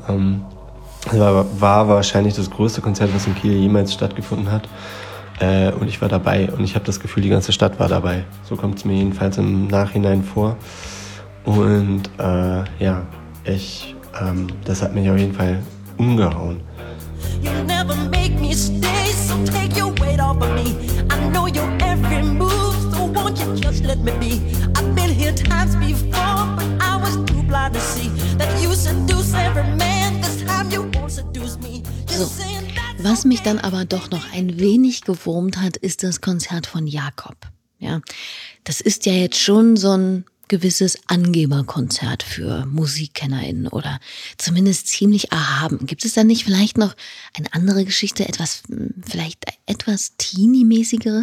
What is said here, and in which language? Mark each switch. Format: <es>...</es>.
<de>War wahrscheinlich das größte Konzert, was in Kiel jemals stattgefunden hat. Und ich war dabei und ich habe das Gefühl, die ganze Stadt war dabei. So kommt es mir jedenfalls im Nachhinein vor. Und das hat mich auf jeden Fall umgehauen.</de> <en>You'll never make me stay, so take your weight off of me. I know your every move, so won't you just let me be. I've been here times before, but I was too blind to see that you seduce every man, this time you won't seduce me.</en> <de>So. Was mich dann aber doch noch ein wenig gewurmt hat, ist das Konzert von Jakob. Ja, das ist ja jetzt schon so ein gewisses Angeberkonzert für MusikkennerInnen oder zumindest ziemlich erhaben. Gibt es da nicht vielleicht noch eine andere Geschichte, etwas vielleicht etwas Teenie-mäßigeres?</de>